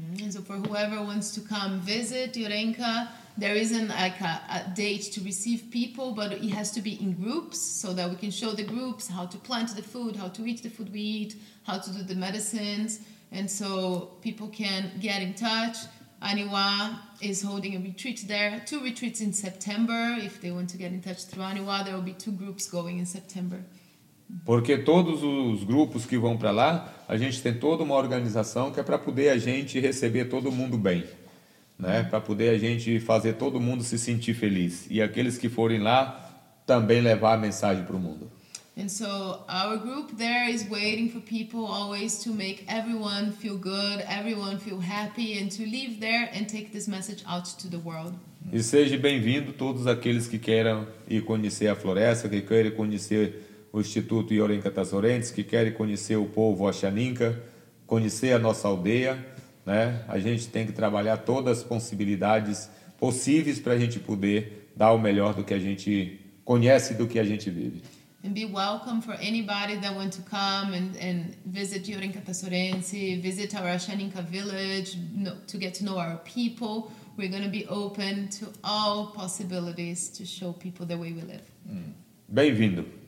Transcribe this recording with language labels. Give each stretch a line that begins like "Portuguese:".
English: So for whoever wants to come visit Yorinka, there isn't like a date to receive people, but it has to be in groups so that we can show the groups how to plant the food, how to eat the food we eat, how to do the medicines, and so people can get in touch. Aniwa is holding a retreat there, two retreats in September. If they want to get in touch through Aniwa, there will be two groups going in September.
Portuguese: Porque todos os grupos que vão para lá, a gente tem toda uma organização que é para poder a gente receber todo mundo bem, né? Para poder a gente fazer todo mundo se sentir feliz. E aqueles que forem lá também levar a mensagem para o mundo.
English: And so our group there is waiting for people always to make everyone feel good, everyone feel happy, and to leave there and take this message out to the world.
Portuguese: E seja bem-vindo todos aqueles que queiram ir conhecer a floresta, que queiram conhecer o Instituto Yorinka Tassorense, que querem conhecer o povo Oxaninka, conhecer a nossa aldeia, né? A gente tem que trabalhar todas as possibilidades possíveis para a gente poder dar o melhor do que a gente conhece e do que a gente vive.
English: And be welcome for anybody that wants to come and visit Yorinka Tassorense, visit our Oxaninka village, to get to know our people. We're going to be open to all possibilities to show people the way we live.
Portuguese: Bem-vindo.